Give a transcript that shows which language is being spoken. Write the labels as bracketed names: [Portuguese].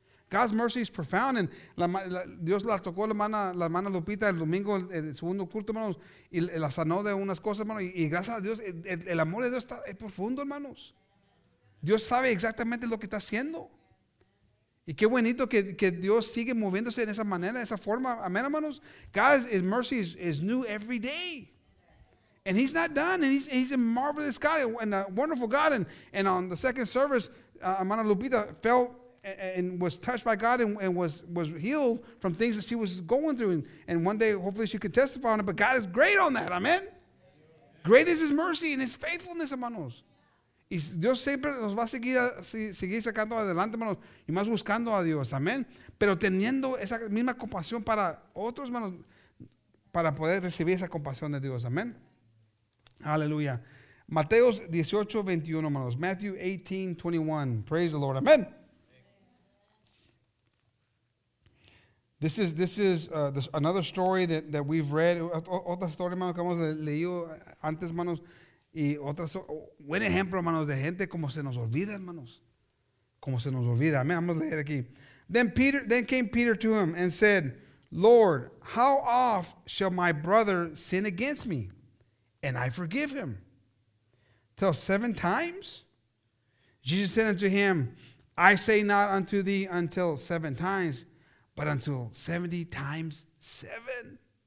[English] God's mercy is profound. [Spanish] And Dios la tocó la hermana Lupita el domingo, el segundo culto, hermanos, y la sanó de unas cosas, hermanos. Y gracias a Dios, el amor de Dios es profundo, hermanos. Dios sabe exactamente lo que está haciendo. Y qué bonito que Dios sigue moviéndose en esa manera, esa forma. Amén, hermanos. [English] God's mercy is new every day. And he's not done. And he's a marvelous God and a wonderful God. And on the second service, hermana Lupita felt and was touched by God and was healed from things that she was going through. And one day, hopefully, she could testify on it. But God is great on that. Amen. Great is his mercy and his faithfulness, hermanos. [Spanish] Y Dios siempre nos va a seguir sacando adelante, hermanos, y más buscando a Dios, amén. Pero teniendo esa misma compasión para otros, hermanos, para poder recibir esa compasión de Dios, amén. Aleluya. Mateos 18, 21, hermanos. Matthew 18, 21. [English] Praise the Lord. [Spanish] Amén. [English] This is another story that we've read. [Spanish] Otra historia, hermanos, que hemos leído antes, hermanos. Y otras, buen ejemplo, hermanos, de gente como se nos olvida, hermanos. Como se nos olvida. Amén. Vamos a leer aquí. [English] Then came Peter to him and said, Lord, how oft shall my brother sin against me and I forgive him? Till seven times? Jesus said unto him, I say not unto thee until seven times, but until 70 times seven.